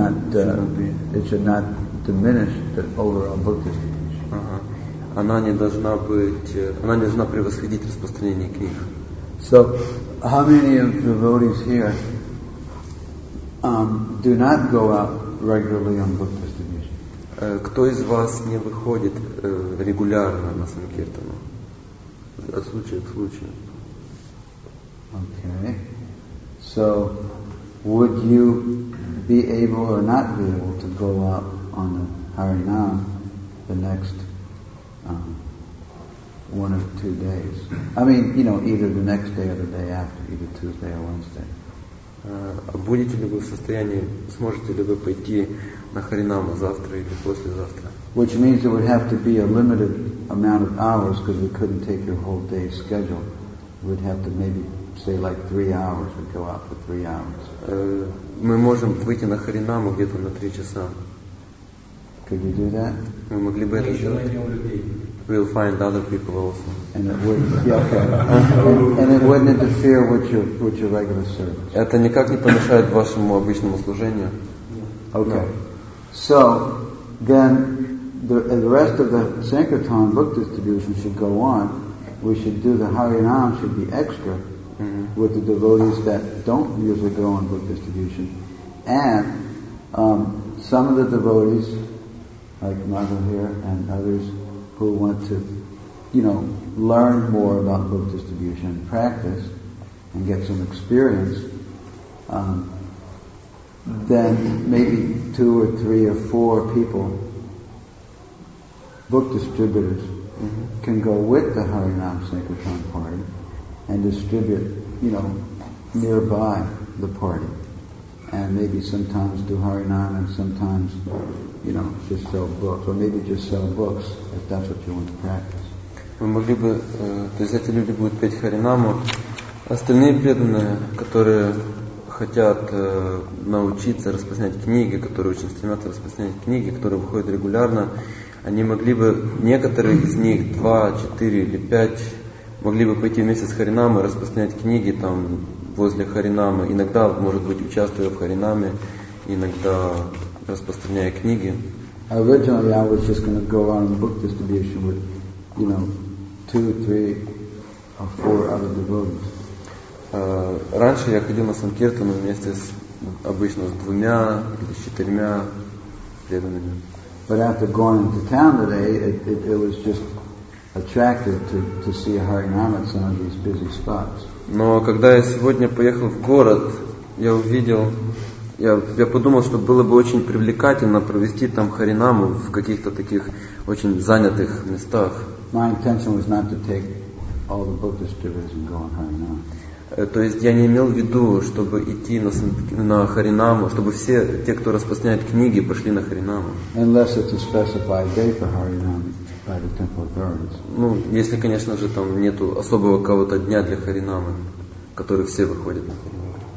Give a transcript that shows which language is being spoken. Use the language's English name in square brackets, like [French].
[English] It should not diminish the overall book distribution. [Russian] Она не должна превосходить распространение книг. [English] So, how many of the devotees here do not go out regularly on book distribution? [Russian] Кто из вас не выходит регулярно на Санкиртану? От случая к случаю. [English] Okay. So, would you be able or not be able to go out on the Harinam the next one or two days? I mean, you know, either the next day or the day after, either Tuesday or Wednesday. [Russian] Будете ли вы в состоянии, сможете ли вы пойти на Харинам завтра или послезавтра? [English] Which means it would have to be a limited amount of hours because we couldn't take your whole day's schedule. We'd have to maybe say like 3 hours, we'd go out for 3 hours. [Russian] Мы можем выйти на Харинаму где-то на 3 часа. [English] Could you do that? [Russian] Мы могли бы это сделать. [English] We'll find other people also. And it wouldn't, yeah, okay. And it wouldn't interfere with your regular service. [Russian] Это никак не помешает вашему обычному служению. [English] Okay. So then the rest of the Sankirtan book distribution should go on. We should do the Harinam should be extra. Mm-hmm. With the devotees that don't usually go on book distribution, and some of the devotees, like Mother here and others, who want to, you know, learn more about book distribution and practice and get some experience, then maybe 2 or 3 or 4 people, book distributors, mm-hmm. can go with the Harinam Sankirtan party and distribute, you know, nearby the party. And maybe sometimes do Harinam and sometimes, you know, just sell books. Or maybe just sell books if that's what you want to practice. [Russian] Вы могли бы, то есть эти люди будут петь Харинаму. Остальные преданные, которые хотят научиться распространять книги, которые очень стремятся распространять книги, которые выходят регулярно, они могли бы, некоторые из них, 2, 4 или 5, могли бы пойти вместе с Харинамой распространять книги там в возле Харинамы, иногда, может быть, участвуя в Харинаме, иногда распространяя книги. [English] Originally I was just going to go on book distribution with, you know, two, three or four other devotees. [Russian] Раньше я ходил на санкиртану вместе с обычно с двумя или с четырьмя преданными. [English] But after going to town today, it was just attractive to see Harinam at some of these busy spots. [Russian] Но когда я сегодня поехал в город, я увидел, я подумал, что было бы очень привлекательно провести там Харинаму в каких-то таких очень занятых местах. [English] My intention was not to take all the book distributors and go on Harinam. [Russian] То есть я не имел в виду, чтобы идти на Харинаму, чтобы все те, кто распространяет книги, пошли на Харинаму. [English] Unless it's a specified day for Harinam by the temple authorities. [Russian] Ну, если, конечно же, там нету особого кого-то дня для Харинамы, который все выходят на Харинаму.